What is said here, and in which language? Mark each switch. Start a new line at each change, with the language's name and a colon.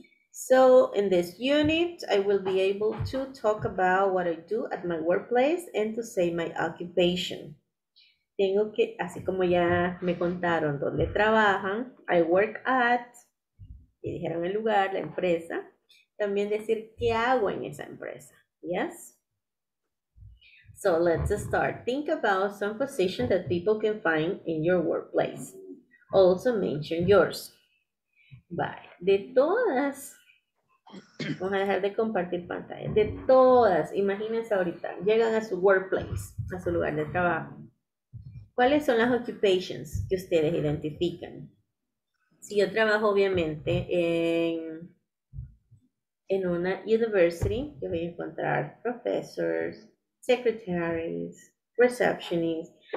English: So, in this unit, I will be able to talk about what I do at my workplace and to say my occupation.
Spanish: tengo que, así como ya me contaron dónde trabajan,
English: I work at,
Spanish: y dijeron el lugar, la empresa, también decir qué hago en esa empresa.
English: Yes? So let's start. Think about some positions that people can find in your workplace. Also mention yours. Bye.
Spanish: De todas, vamos a dejar de compartir pantalla. De todas, imagínense ahorita, llegan a su workplace, a su lugar de trabajo. ¿Cuáles son las occupations que ustedes identifican? Si yo trabajo obviamente en una university, yo voy a encontrar professors, secretaries, receptionists.